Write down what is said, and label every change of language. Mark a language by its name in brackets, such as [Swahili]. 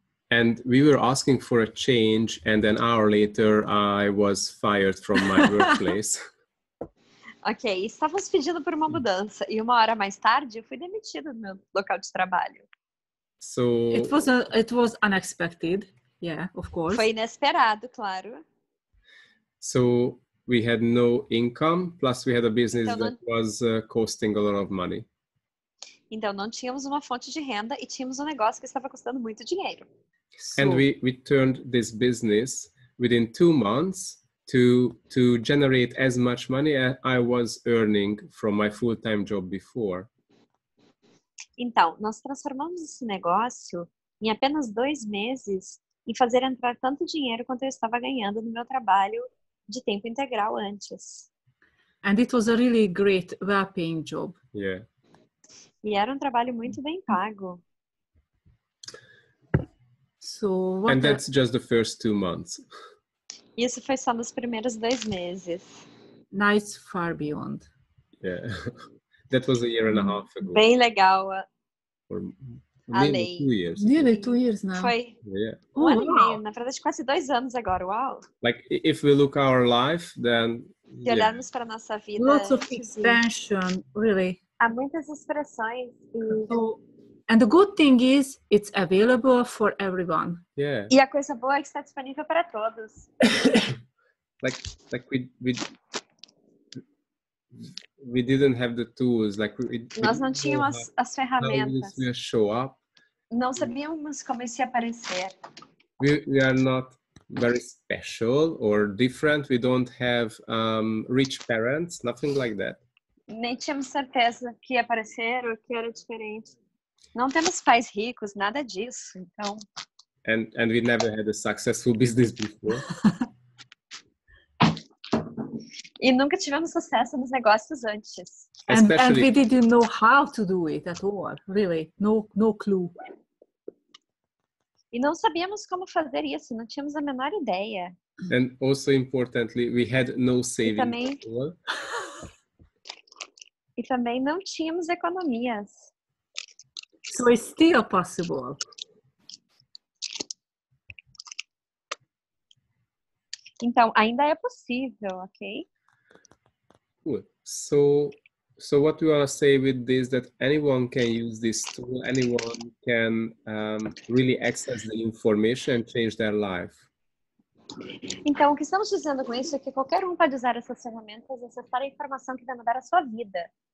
[English] And we were asking for a change, and an hour later, I was fired from my workplace. [Portuguese] Ok, estávamos pedindo por uma mudança, e uma hora mais tarde, eu fui demitido do meu local de trabalho. [English] So It was unexpected, yeah, of course. [Portuguese] Foi inesperado, claro. [English] So we had no income, plus we had a business that was costing a lot of money. [Portuguese] Então, não tínhamos uma fonte de renda e tínhamos um negócio que estava custando muito dinheiro. [English] And we turned this business within 2 months to generate as much money as I was earning from my full-time job before. [Portuguese] Então, nós transformamos esse negócio em apenas 2 meses e fazer entrar tanto dinheiro quanto eu estava ganhando no meu trabalho de tempo integral antes. [English] And it was a really great well-paying job. Yeah. [Portuguese] E era um trabalho muito bem pago. [English] So, and that's just the first 2 months. [Portuguese] Isso foi só nos primeiros 2 meses. [English] Nice, far beyond. Yeah. That was a year and a half ago. [Portuguese] Bem legal. [English] For nearly 2 years. Nearly 2 years now. [Portuguese] Foi. [English] Yeah. [Portuguese] Um ano e meio. Na verdade, quase 2 anos agora. Uau. [English] Like, if we look our life, then... [Portuguese] Se olharmos para nossa vida... [English] Lots of expansion, really. [Portuguese] Há muitas expressões e... [English] And the good thing is, it's available for everyone. Yeah. [Portuguese] E a coisa boa é que está disponível para todos. [English] like we didn't have the tools. Like [Portuguese] nós não tínhamos as ferramentas. [English] We just show up. [Portuguese] Não sabíamos como isso ia aparecer. [English] We are not very special or different. We don't have rich parents, nothing like that. [Portuguese] Nem tínhamos certeza que ia aparecer ou que era diferente. Não temos pais ricos, nada disso, então... [English] And we never had a successful business before. [Portuguese] E nunca tivemos sucesso nos negócios antes. [English] And we didn't know how to do it at all, really. No clue. [Portuguese] E não sabíamos como fazer isso, não tínhamos a menor ideia. [English] And also importantly, we had no savings at all. [Portuguese] E também não tínhamos economias. [English] So it's still possible. [Portuguese] Então, ainda é possível, ok? [English] So, So what we want to say with this, that anyone can use this tool, anyone can really access the information and change their life. [Portuguese] Então, o que estamos dizendo com isso é que qualquer um pode usar essas ferramentas e acessar a informação que vai mudar a sua vida.